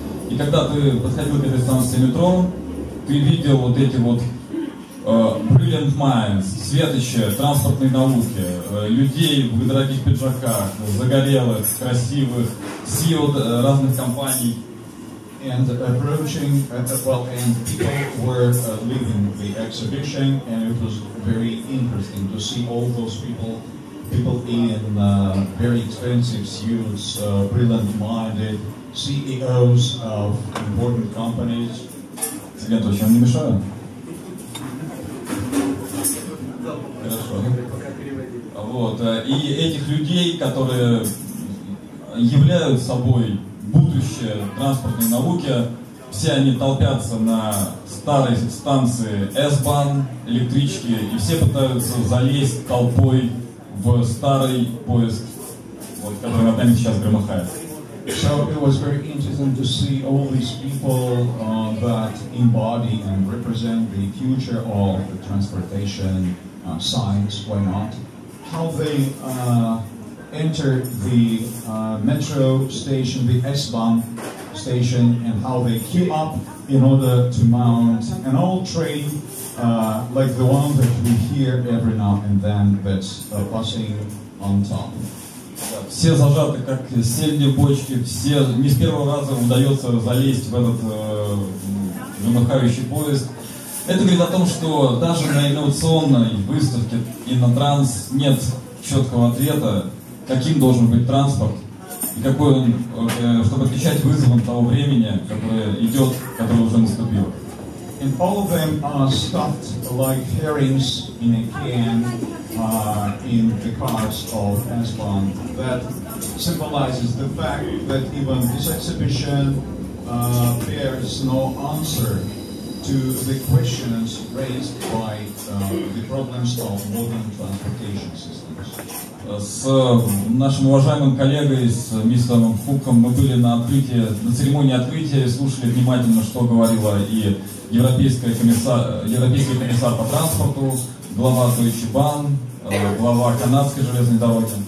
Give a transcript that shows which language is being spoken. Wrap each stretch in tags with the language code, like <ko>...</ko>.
<ru>И когда ты подходил к этой станции метро, ты видел вот эти вот</ru> <en>Brilliant Minds,</en> <ru>светочи, транспортные науки, людей в дорогих пиджаках, загорелых, красивых, CEO разных компаний.</ru> <en>And approaching, well, and people were leaving the exhibition, and it was very interesting to see all those people, people in very expensive suits, brilliant-minded CEOs of important companies.</en> <ru>Нет, то есть они мешают? Хорошо. Вот, и этих людей, которые являют собой будущее транспортной науки, все они толпятся на старой станции S-Bahn, электрички, и все пытаются залезть толпой в старый поезд, вот, который над нами сейчас громыхает.</ru> <en>So it was very interesting to see all these people that embody and represent the future of the transportation science, why not? How they enter the metro station, the S-Bahn station, and how they queue up in order to mount an old train like the one that we hear every now and then that's passing on top.</en> <ru>Все зажаты, как сельди в бочке, все не с первого раза удается залезть в этот громыхающий поезд. Это говорит о том, что даже на инновационной выставке Иннотранс нет четкого ответа, каким должен быть транспорт, и какой он, чтобы отвечать вызовам того времени, которое идет, которое уже наступило.</ru> <en>And all of them are stuffed like herrings in a can in the cars of S-Bahn. That symbolizes the fact that even this exhibition bears no answer to the questions raised by the problems of modern transportation systems.</en> <ru>С нашим уважаемым коллегой, с мистером Фуком, мы были на открытии, на церемонии открытия и слушали внимательно, что говорила и Европейский комиссар по транспорту, глава Deutsche Bahn, глава канадской железной дороги.</ru>